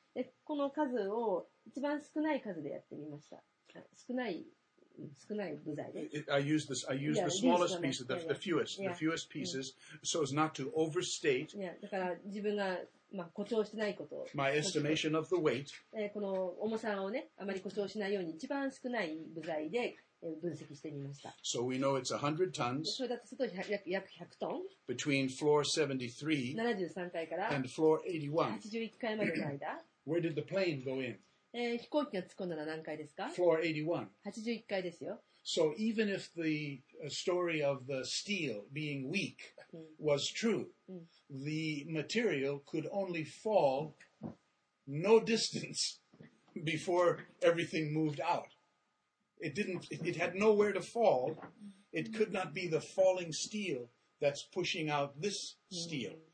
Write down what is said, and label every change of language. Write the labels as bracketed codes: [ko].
[ja] でこの数を一番少ない数でやってみました。少ない部材で。 [en] I use the smallest piece, the fewest pieces, so as not to overstate. [ja] だから自分がまあ、誇張してないことを。 [en] My estimation of the weight. [ja] この重さをね、あまり誇張しないように一番少ない部材で分析してみました。 [en] So we know it's 100 tons. [ja] それだと外約100トン。 [en] Between floor 73 [ja] 階から [en] and floor 81. [ja] 81階までの間。 [en] Where did the plane go in? [ja] 飛行機が突っ込んだのは何階ですか？ [en] Floor 81. [ja] 81階ですよ。 [en] So even if the story of the steel being weak was true, the material could only fall no distance before everything moved out. It had nowhere to fall. It could not be the falling steel that's pushing out this steel.